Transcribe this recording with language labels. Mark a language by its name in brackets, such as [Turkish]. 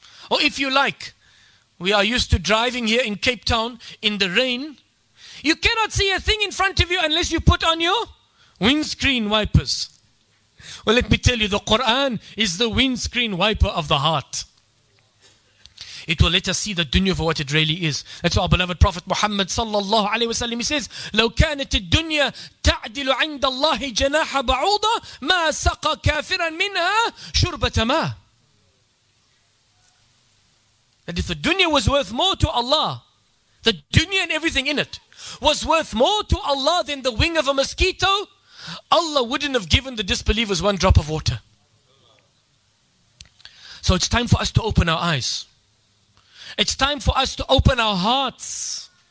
[English] Or if you like, we are used to driving here in Cape Town in the rain. You cannot see a thing in front of you unless you put on your windscreen wipers. Well, let me tell you, the Quran is the windscreen wiper of the heart. It will let us see the dunya for what it really is. That's what our beloved Prophet Muhammad sallallahu alayhi wa sallam, he says, [Arabic] لَوْ كَانَتِ الدُّنْيَا تَعْدِلُ عِنْدَ اللَّهِ جَنَاحَ بَعُوضَ مَا سَقَى كَافِرًا مِنْهَا شُرْبَةَ مَا. [English] That if the dunya was worth more to Allah, the dunya and everything in it, was worth more to Allah than the wing of a mosquito, Allah wouldn't have given the disbelievers one drop of water. So it's time for us to open our eyes. It's time for us to open our hearts.